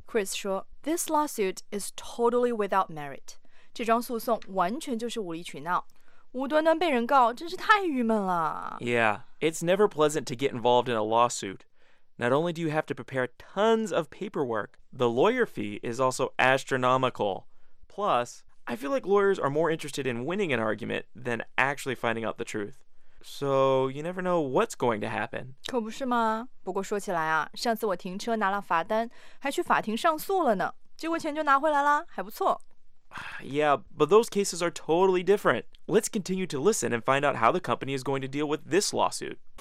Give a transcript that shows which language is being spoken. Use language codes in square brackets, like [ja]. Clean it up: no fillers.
[en] Chris [zh] 说， [en] This lawsuit is totally without merit。 [zh] 这桩诉讼完全就是无理取闹，无端端被人告，真是太郁闷了。 [en] Yeah, it's never pleasant to get involved in a lawsuit. Not only do you have to prepare tons of paperwork, the lawyer fee is also astronomical. Plus, I feel like lawyers are more interested in winning an argument than actually finding out the truth. So, you never know what's going to happen. [zh] 可不是吗？不过说起来啊，上次我停车拿了罚单，还去法庭上诉了呢，结果钱就拿回来了，还不错。 [en] Yeah, but those cases are totally different. Let's continue to listen and find out how the company is going to deal with this lawsuit.